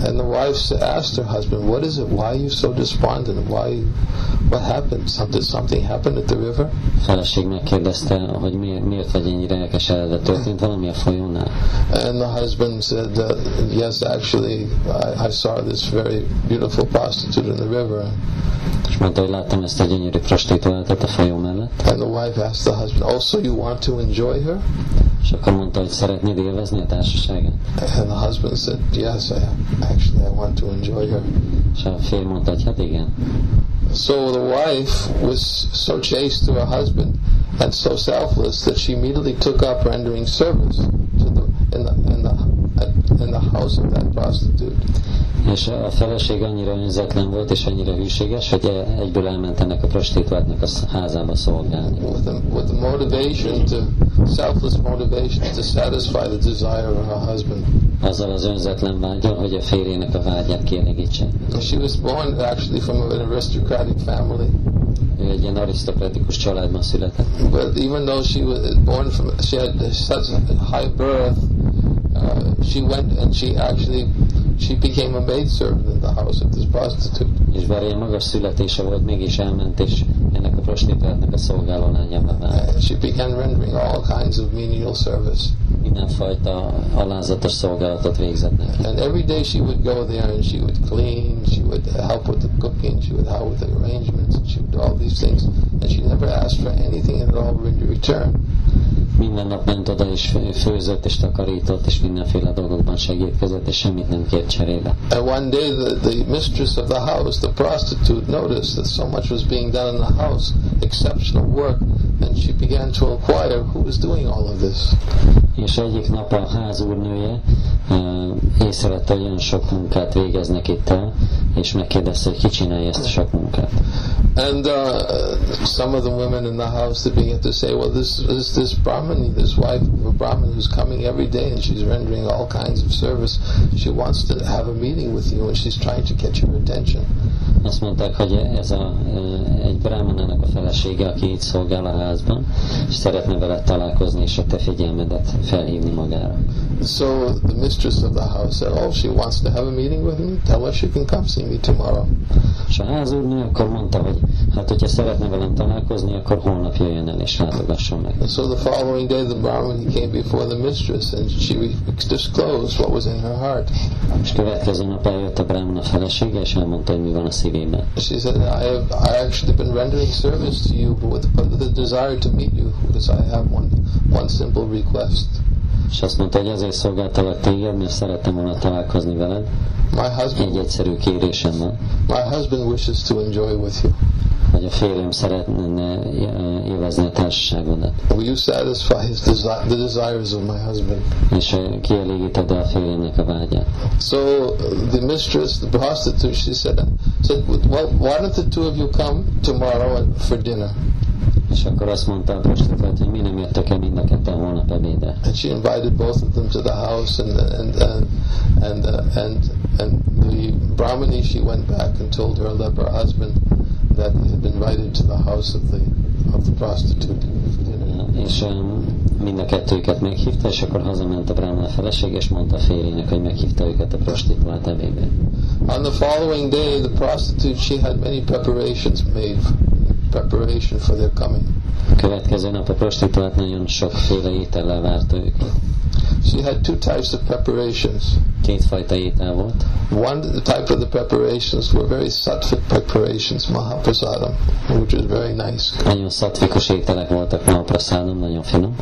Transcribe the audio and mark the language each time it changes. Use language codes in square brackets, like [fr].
[en] And the wife asked her husband, what is it? Why are you so despondent? Why? What happened? Did something happen at the river? [hu] A feleség megkérdezte, hogy miért vagy ennyire elkeseredett, történt valami a folyónál. [en] And the husband said, yes, actually, I saw this very beautiful prostitute in the river. [hu] És mondta, hogy láttam ezt a gyönyörű prostituáltat a folyó mellett. [en] And the wife asked the husband, oh, so you want to enjoy her? [hu] És akkor mondta, hogy szeretnéd élvezni a társaságát. [en] And the husband said, yes, actually, I want to enjoy her. [hu] És a férj mondta, hogy hát igen. [en] So the wife was so chaste to her husband and so selfless that she immediately took up rendering service in the house of that prostitute. [hu] És a feleség annyira önzetlen volt és annyira hűséges, hogy egyből elment ennek a prostituáltnak a házába szolgálni. [en] With the motivation to, selfless motivation to satisfy the desire of her husband. [hu] Azzal az önzetlen vágyal, hogy a férjének a vágyát kielégítse. [en] She was born actually from an aristocratic family. [hu] Egy ilyen arisztokratikus családban született. [en] But even though she was born from, she had such a high birth, she went and she became a maidservant in the house of this prostitute. [hu] És bár ilyen magas születése volt, mégis elment, és ennek a prostituáltnak a szolgálónájában állt. [en] She began rendering all kinds of menial service. [hu] Mindenfajta alázatos szolgálatot végzett neki. [en] And every day she would go there and she would clean, she would help with the cooking, she would help with the arrangements, and she would do all these things. And she never asked for anything at all in return. [hu] Minden nap ment oda és főzött és takarított és mindenféle dolgokban segítkezett és semmit nem kért cserébe. [en] And one day the mistress of the house, the prostitute, noticed that so much was being done in the house, exceptional work, and she began to inquire who was doing all of this. [hu] És egyik nap a ház úrnője észrevette, hogy olyan sok munkát végeznek itt el, és megkérdezte, hogy ki csinálja ezt a sok munkát. [en] And some of the women in the house that began to say, well, this Brahmani, this wife of a Brahmin who's coming every day and she's rendering all kinds of service, she wants to have a meeting with you and she's trying to get your attention. [hu] Azt mondták, hogy ez egy brámanának a felesége, aki itt szolgál a házban, és szeretne veled találkozni, és a te figyelmedet felhívni magára. [en] So the mistress of the house said, oh, she wants to have a meeting with me, tell her she can come see me tomorrow. [hu] És a házúrnő akkor mondta, hogy hát, hogyha szeretne velem találkozni, akkor holnap jöjjön el és látogasson meg. [en] So the following day the Brahmin came before the mistress and she disclosed what was in her heart. [hu] És következő nap eljött a Brahmin a felesége, és elmondta, hogy mi van a szívében. [en] She said, I actually been rendering service to you, but with the desire to meet you, because I have one simple request. [hu] És azt mondta, hogy azért szolgáltalak téged, mert szerettem volna találkozni veled. [en] My husband, [hu] egy egyszerű kérésem van. [en] My husband wishes to enjoy with you. [hu] Hogy a férjem szeretne élvezni a társaságodat. [en] Will you satisfy the desires of my husband? [hu] És kielégíted a férjének a vágyát. [en] So the mistress, the prostitute, she said, well, why don't the two of you come tomorrow for dinner? [hu] És akkor azt mondta a prostituált, hogy mi nem jöttek el mind a ketten holnap ebédre. [en] And she invited both of them to the house and the Brahmani, she went back and told her leper husband that he had been invited to the house of the prostitute. [hu] És mind a kettőket meghívta, és akkor hazament a Brahmana feleség, és mondta a férjének, hogy meghívta őket a prostituált ebédre. [en] On the following day, the prostitute, she had many preparations made. Preparation for their coming. [hu] következő nap a prostituált nagyon sokféle étellel várta őket. [en] She had two types of preparations. [hu] Kétfajta étel volt. [en] One type of the preparations were very sattvic preparations, mahaprasadam, which was very nice. [hu] Nagyon sattvikus ételek voltak, mahaprasadam, nagyon finom.